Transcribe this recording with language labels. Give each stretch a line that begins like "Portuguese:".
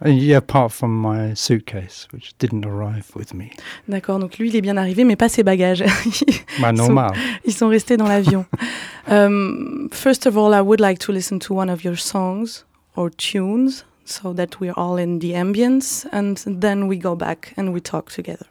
English: Yeah, apart from my suitcase, which didn't arrive with me.
French: D'accord, donc lui, il est bien arrivé, mais pas ses bagages. Bah, normal. Ils sont restés dans l'avion.
English: First of all, I would like to listen to one of your songs or tunes. So that we're all in the ambience, and then we go back and we talk together.